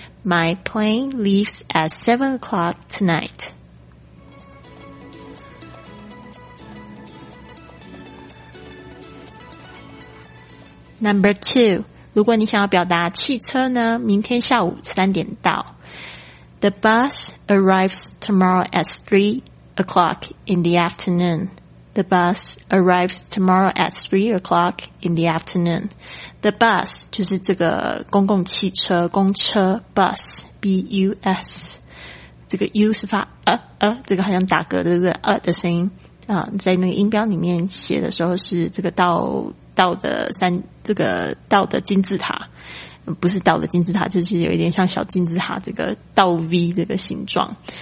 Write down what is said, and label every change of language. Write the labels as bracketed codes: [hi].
[en] My plane leaves at 7 o'clock tonight. [zh] 2, 如果你想要表达汽车呢，明天下午3点到。 [en] The bus arrives tomorrow at 3 o'clock in the afternoon. The bus arrives tomorrow at 3 o'clock in the afternoon. [zh] The bus 就是这个公共汽车公车 bus, B-U-S, 这个 U 是发这个好像打嗝的这个的声音、在那个音标里面写的时候是这个道的金字塔，不是道的金字塔，就是有一点像小金字塔这个倒 V 这个形状。